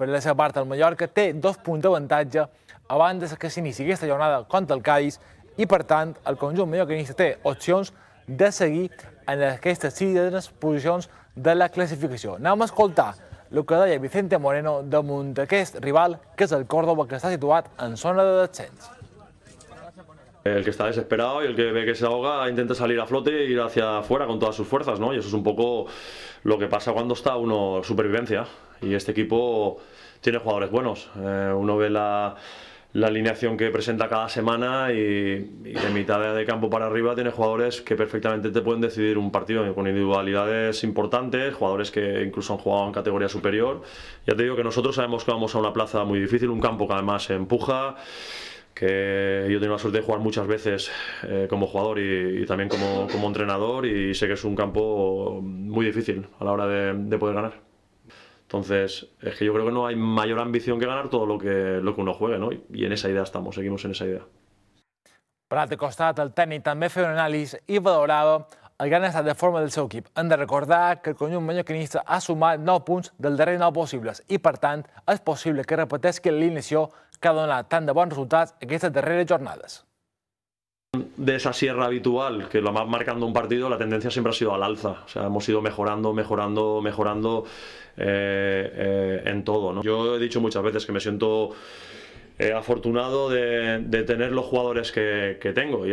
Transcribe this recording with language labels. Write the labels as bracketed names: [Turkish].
[Catalan] Per la seva part, el Mallorca té 2 punts d'avantatge abans que s'iniciï aquesta jornada contra el Cádiz i, per tant, el conjunt mallorquinista té opcions de seguir en aquestes 6 posicions de la classificació. Anem a escoltar el que deia Vicente Moreno damunt d'aquest rival, que és el Córdoba, que està situat en zona de descens. [Spanish] El que está desesperado y el que ve que se ahoga intenta salir a flote e ir hacia afuera con todas sus fuerzas, ¿no? Y eso es un poco lo que pasa cuando está uno supervivencia. Y este equipo tiene jugadores buenos. Uno ve la alineación que presenta cada semana y de mitad de campo para arriba tiene jugadores que perfectamente te pueden decidir un partido con individualidades importantes, jugadores que incluso han jugado en categoría superior. Ya te digo que nosotros sabemos que vamos a una plaza muy difícil, un campo que además se empuja, que yo he tenido la suerte de jugar muchas veces como jugador y también como entrenador y sé que es un campo muy difícil a la hora de poder ganar. Entonces, es que yo creo que no hay mayor ambición que ganar todo lo que uno juegue, ¿no? Y en esa idea estamos, seguimos en esa idea. [Catalan] Per altre costat, el tècnic també feia un anàlisi i valorava el gran estat de forma del seu equip. Hem de recordar que el conjunt mallorquinista ha sumat 9 punts del darrer 9 possibles i, per tant, és possible que repeteixi l'alineació que ha donat tant de bons resultats aquestes darreres jornades. [Spanish] De esa sierra habitual, que lo más marcando un partido, la tendencia siempre ha sido al alza. O sea, hemos ido mejorando, mejorando, mejorando en todo, ¿no? Yo he dicho muchas veces que me siento afortunado de tener los jugadores que tengo.